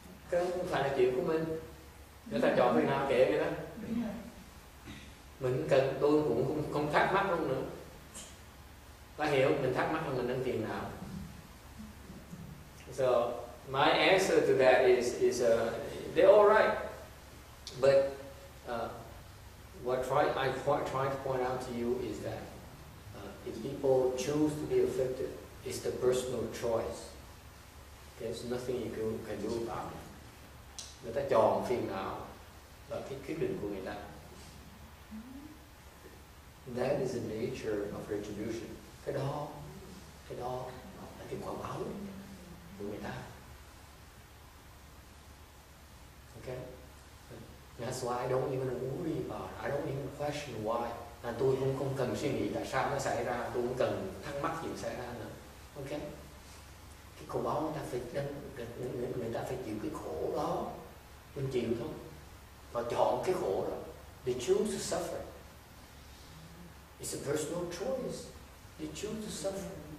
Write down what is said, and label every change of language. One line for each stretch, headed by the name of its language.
Vietnamese: Okay. Không phải là chuyện của mình. Người ta chọn phiền não kệ người ta. Mình cần, tôi cũng không thắc mắc luôn nữa. Ta hiểu, mình thắc mắc là mình đang phiền não.
English: So my answer to that is they're all right. But what I try to point out to you is that if people choose to be afflicted, it's the personal choice. There's nothing you can do about it.
Vietnamese: Người ta chọn phiền não là cái quyết định của người ta.
English: That is the nature of retribution.
Vietnamese: Cái đó là cái quả báo của người ta.
English: Okay? That's why I don't even worry about it. I don't even question why.
Vietnamese: Là tôi cũng không cần suy nghĩ tại sao nó xảy ra. Tôi cũng cần thắc mắc gì xảy ra nữa. Okay? Cái khổ báo người ta phải chịu cái khổ đó, mình chịu thôi, và chọn cái khổ đó.
English: They choose to suffer. It's a personal choice. They choose to suffer.